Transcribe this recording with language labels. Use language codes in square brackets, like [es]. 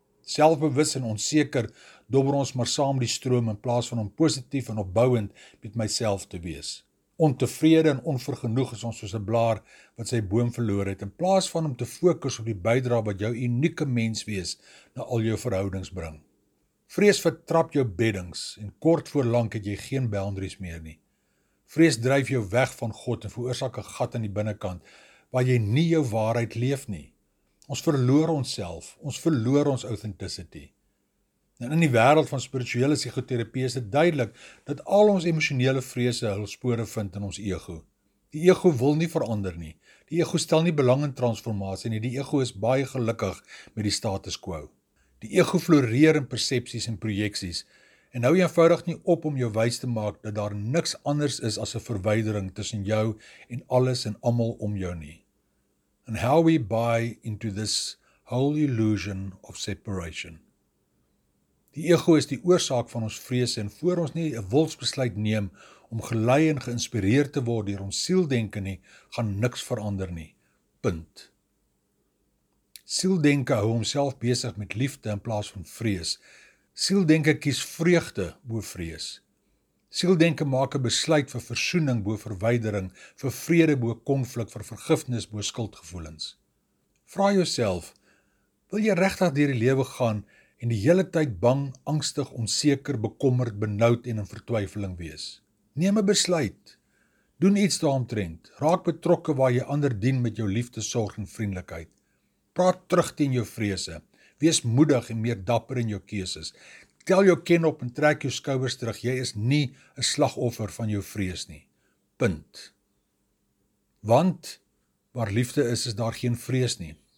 [af] Selfbewus en onseker dobber ons maar saam die stroom in plaas van om positief en opbouend met myself te wees. Ontevrede en onvergenoeg is ons soos 'n blaar wat sy boom verloor het in plaas van om te fokus op die bydra wat jou unieke mens wees na al jou verhoudings bring. Vrees vertrap jou beddings en kort voor lank het jy geen boundaries meer nie. Vrees dryf jou weg van God en veroorsaak 'n gat aan die binnekant waar jy nie jou waarheid leef nie. Ons verloor onsself, ons verloor ons authenticity. En in die wêreld van spirituele psigoterapie is dit duidelik dat al ons emosionele vrese hul spore vind in ons ego. Die ego wil nie verander nie. Die ego stel nie belang in transformasie nie. Die ego is baie gelukkig met die status quo. Die ego floreer in persepsies en projeksies. En hou eenvoudig nie op om jou wys te maak dat daar niks anders is as 'n verwydering tussen jou en alles en almal om jou nie. [en] And how we buy into this whole illusion of separation. [af] Die ego is die oorsaak van ons vrese en voor ons nie 'n wilsbesluit neem om gelei en geïnspireer te word deur ons sieldenke nie, gaan niks verander nie. Punt. Sieldenke hou homself besig met liefde in plaas van vrees. Sieldenke kies vreugde bo vrees. Sieldenke maak 'n besluit vir versoening bo verwydering, vir vrede bo konflik, vir vergifnis bo skuldgevoelens. Vra jouself, wil jy regtig deur die lewe gaan en die hele tyd bang, angstig, onseker, bekommerd, benoud en in vertwyfeling wees? Neem 'n besluit. Doen iets daaromtrent. Raak betrokke waar jy ander dien met jou liefde, sorg en vriendelikheid. Praat terug teen jou vrese. Wees moedig en meer dapper in jou keuses. Tel jou ken op en trek jou skouers terug. Jy is nie 'n slagoffer van jou vrees nie. Punt. Want waar liefde is, is daar geen vrees nie.